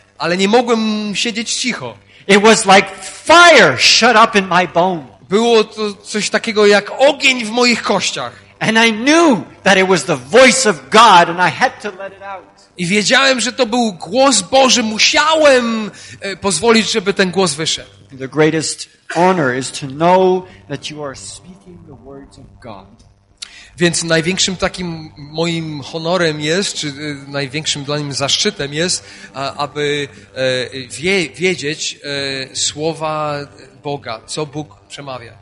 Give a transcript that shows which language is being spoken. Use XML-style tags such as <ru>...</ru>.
<pl>Ale nie mogłem siedzieć cicho.</pl> <en>It was like fire shut up in my bone.</en> <pl>Było to coś takiego jak ogień w moich kościach.</pl> <en>And I knew that it was the voice of God and I had to let it out.</en> <pl>I wiedziałem, że to był głos Boży, musiałem pozwolić, żeby ten głos wyszedł.</pl> <en>The greatest honor is to know that you are speaking the words of God.</en> <pl>Więc największym takim moim honorem jest, czy największym dla nim zaszczytem jest, aby wiedzieć słowa Boga, co Bóg przemawia.</pl>